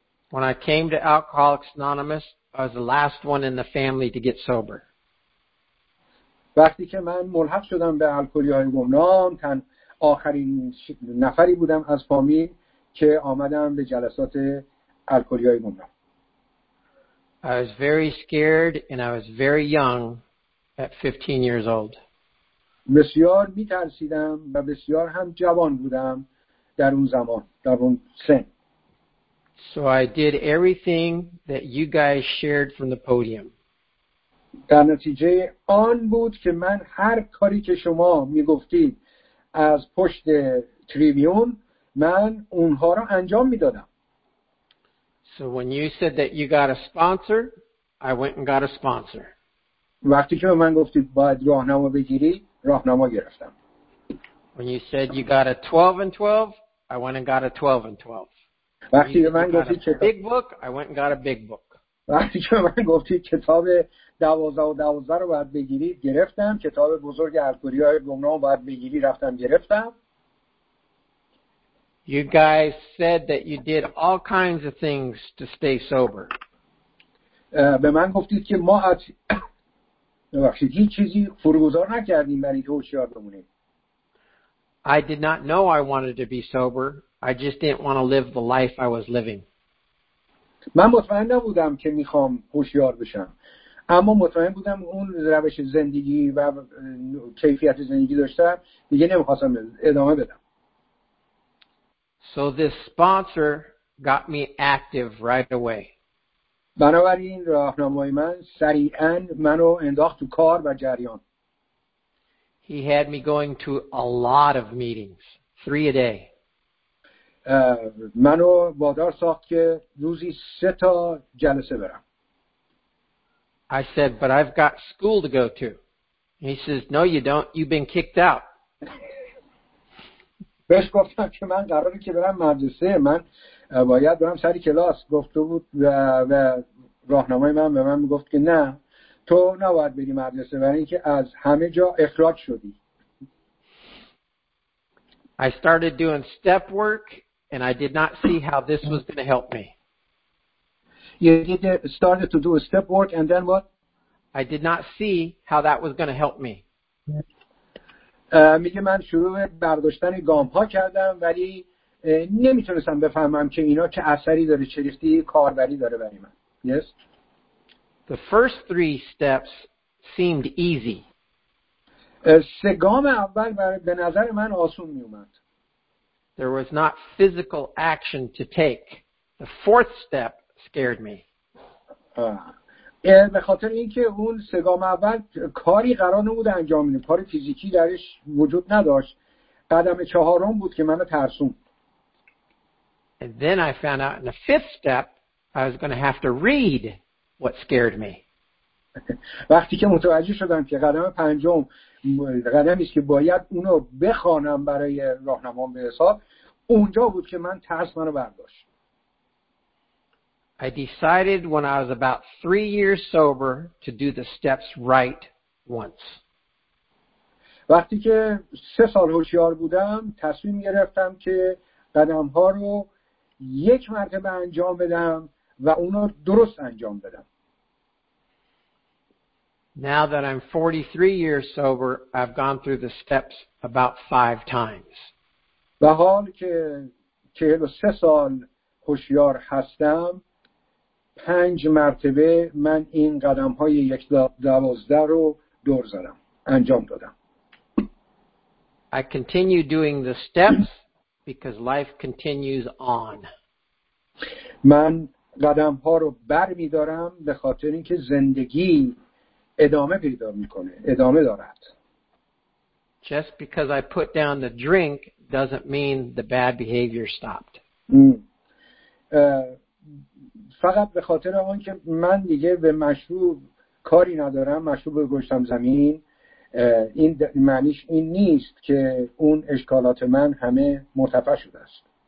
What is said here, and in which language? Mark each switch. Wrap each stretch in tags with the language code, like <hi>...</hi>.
<en>When I came to Alcoholics Anonymous, I was the last one in the family to get sober.</en> <fa>وقتی که من ملحق شدم به الکلی‌های گمنام تن آخرین نفری بودم از فامیل که آمدم به جلسات</fa> <en>I was very scared and I was very young at 15 years old.</en> <fa>بسیار می‌ترسیدم و بسیار هم جوان بودم در اون زمان، در اون سن.</fa> <en>So I did everything that you guys shared from the podium.</en> <fa>در نتیجه آن بود که من هر کاری که شما می‌گفتید از پشت تریبیون من اونها را انجام می‌دادم.</fa> <en>So when you said that you got a sponsor, I went and got a sponsor.</en> <fa>وقتی که من گفتی باید راهنما بگیری، راهنما گرفتم.</fa> <en>When you said you got a 12 and 12, I went and got a 12 and 12.</en> <fa>وقتی که من گفتی</fa> <en>big book, I went and got a big book.</en> <fa>وقتی که من گفتی کتاب دوازده و دوازده رو باید بگیرید گرفتم، کتاب بزرگ الکلی های گمنام باید بگیرید رفتم گرفتم.</fa> <en>You guys said that you did all kinds of things to stay sober.</en> <fa>به من گفتید که ما از نبخشید هیچ چیزی فروگذار نکردیم برای که هوشیار بمونیم.</fa> <en>I did not know I wanted to be sober. I just didn't want to live the life I was living.</en> <fa>من مطمئن نبودم که میخوام هوشیار بشم. اما مطمئن بودم اون روش زندگی و کیفیت زندگی داشتم دیگه نمیخواستم ادامه بدم.</fa> <en>So this sponsor got me active right away.</en> <fa>بنابراین راهنمای من سریعاً منو انداخت تو کار و جریان.</fa> <en>He had me going to a lot of meetings, 3 a day.</en> <fa>منو وادار ساخت که روزی 3 تا جلسه برم.</fa> <en>I said, but I've got school to go to. And he says, no, you don't. You've been kicked out.</en> <fa>بهش گفتم که من قراره که برم مدرسه. من باید برم سری کلاس. گفته بود و راهنمای من به من میگفت که نه. تو نباید بری مدرسه برای اینکه از همه جا اخراج شدی.</fa> <en>I started doing step work and I did not see how this was going to help me. Started to do a step work and then what? I did not see how that was going to help me.</en> <fa>میگه من شروع برداشتن گام ها کردم ولی نمیتونستم بفهمم که اینا چه اثری داره چه ریختی کاربری داره برای من.</fa> <en>Yes. The first three steps seemed easy.</en> <fa>سه گام اول به نظر من آسون میومد.</fa> <en>There was not physical action to take. The fourth step scared me.</en> <fa>به خاطر اینکه اون سه گام اول کاری قرار نبود انجام بدم، کار فیزیکی درش وجود نداشت. قدم چهارم بود که منو ترسون.</fa> <en>And then I found out in the fifth step I was going to have to read what scared me.</en> <fa>وقتی که متوجه شدم که قدم پنجم قدمی است که باید اونو بخونم برای راهنمام به حساب، اونجا بود که من ترس منو برداشت.</fa> <en>I decided when I was about 3 years sober to do the steps right once.</en> <fa>وقتی که 3 سال هوشیار بودم تصمیم گرفتم که قدم‌ها رو یک مرتبه انجام بدم و اونو درست انجام بدم.</fa> <en>Now that I'm 43 years sober, I've gone through the steps about 5 times.</en> <fa>و حال که 43 سال هوشیار هستم پنج مرتبه من این قدم های 112 رو دور زدم انجام دادم.</fa> <en>I continue doing the steps because life continues on.</en> <fa>من قدم ها رو بر می دارم به خاطر اینکه زندگی ادامه پیدا می کنه، ادامه دارد.</fa> <en>Just because I put down the drink doesn't mean the bad behavior stopped.</en> <fa>فقط به خاطر اون که من دیگه به مشروب کاری ندارم، مشروب گوشتم زمین، این معنیش این نیست که اون اشکالات من همه مرتفع شده است.</fa>